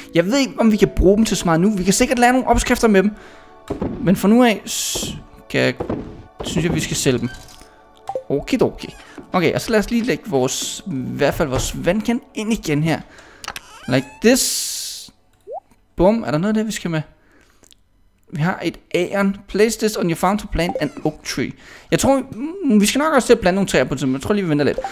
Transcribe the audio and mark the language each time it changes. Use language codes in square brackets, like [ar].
[da] Jeg ved ikke, om vi kan bruge dem til så meget nu. Vi kan sikkert lære nogle opskrifter med dem. Men for nu af, synes jeg, vi skal sælge dem. Okidoki. Okay, og så lad os lige lægge vores, i hvert fald vores vandkan ind igen her. [en] Like this. [da] Bum, er der noget der, vi skal med? Vi har et æren. [en] Place this on your farm to plant an oak tree. [da] Jeg tror, vi skal nok også til at plante nogle træer på det, men jeg tror lige, vi venter lidt.